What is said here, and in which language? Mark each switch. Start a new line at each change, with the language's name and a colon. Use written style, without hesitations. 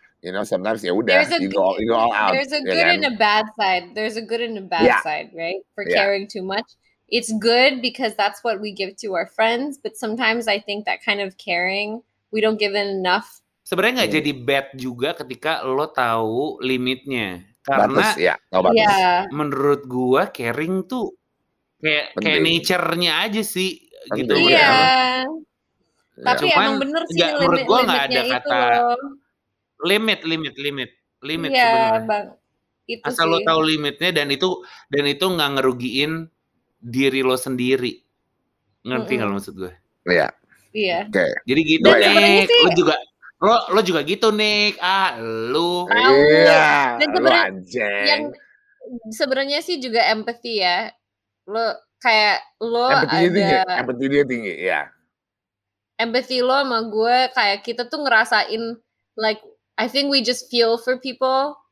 English: You know, sometimes,
Indonesian: ya udah,
English: you go all out. There's a good and a bad side. There's a good and a bad side, right? For caring too much. It's good because that's what we give to our friends. But sometimes I think that kind of caring, we don't give it enough.
Indonesian: Sebenarnya nggak jadi bad juga ketika lo tahu limitnya. Karena menurut gua caring tuh kayak nature-nya aja sih penting. Gitu. Iya. Tapi cuman emang bener sih menurut gua enggak ada kata limit. Iya, Bang. Itu asal lo tahu limitnya dan itu enggak ngerugiin diri lo sendiri. Ngerti enggak maksud gua? Iya. Iya. Oke. Okay. Jadi gitu deh. Lo juga Lo juga gitu, Nick. Ah, lu. Iya, lu anjing. Yang sebenarnya sih juga empathy ya. Lu kayak lu ada. Empathy dia tinggi, ya. Yeah.
English: Empathy
Indonesian: lo sama gue kayak kita tuh ngerasain,
English: like, I think we just feel for people.